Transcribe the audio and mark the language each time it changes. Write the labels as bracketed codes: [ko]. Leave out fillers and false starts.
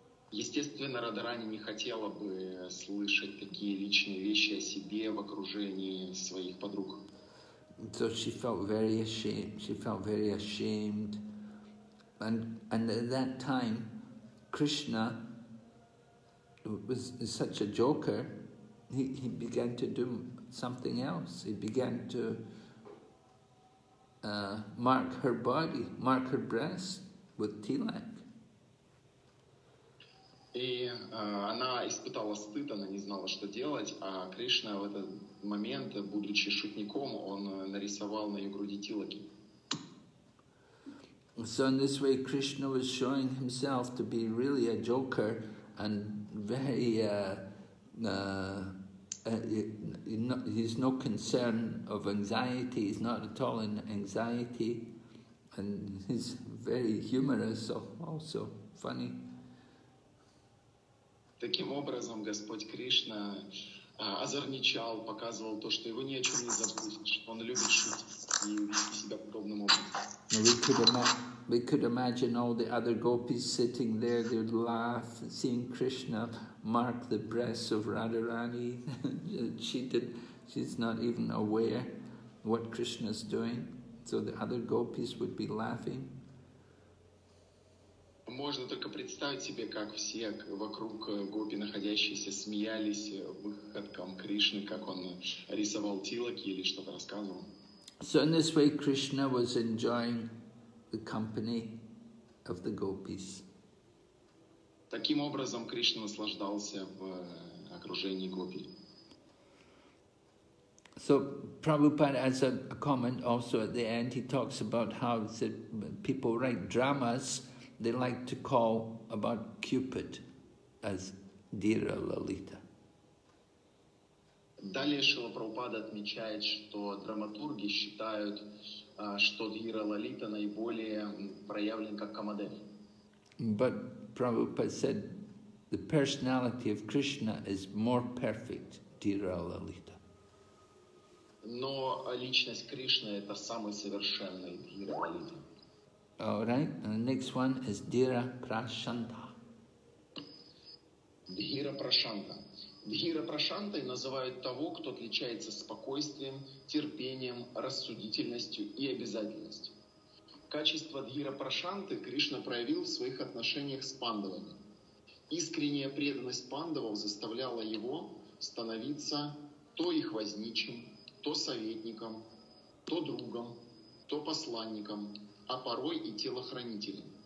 [ru] Естественно, Радхарани не хотела бы слышать такие личные вещи о себе в окружении своих подруг. [en] So she felt very ashamed. She felt very ashamed. And at that time, Krishna was such a joker. He began to do something else. He began to mark her body, mark her breast with tilak. [ru] И она испытала стыд, она не знала, что делать, а Кришна в этот момент, будучи шутником, он нарисовал на ее груди тилаки. [en] So in this way, Krishna was showing himself to be really a joker and very he's no concern of anxiety, he's not at all in anxiety, and he's very humorous, also funny. [ru] Таким образом, Господь Кришна озорничал, показывал то, что его ни о чем не забудет, что он любит шутить и вести себя подобным образом. [en] We could imagine all the other gopis sitting there, they'd laugh, seeing Krishna mark the breasts of Radharani. She's not even aware what Krishna's doing. So the other gopis would be laughing. [ru] Можно только представить себе, как все вокруг гопи находящиеся смеялись выходкам Кришны, как он рисовал тилаки или что-то рассказывал. [en] So in this way Krishna was enjoying the company of the gopis. [ru] Таким образом Кришна наслаждался в окружении гопи. [en] So Prabhupada has a comment also at the end. He talks about how people write dramas. They like to call about Cupid as Dira Lalita. [ru] Далее Шрила Прабхупада отмечает, что драматурги считают, что Дира Лалита наиболее проявлен как Камадеви. [en] But Prabhupada said the personality of Krishna is more perfect, Dira Lalita. [ru] Но личность Кришны это самый совершенный Дира Лалита. [en] All right, and the next one is Dhira Prashanta. Dhira Prashanta. [ru] Dhira Prashanta называют того, кто отличается спокойствием, терпением, рассудительностью и обязательностью. Качество Dhira Prashanta Кришна проявил в своих отношениях с пандавами. Искренняя преданность пандавов заставляла его становиться то их возничим, то советником, то другом, то посланником, а порой и телохранителем.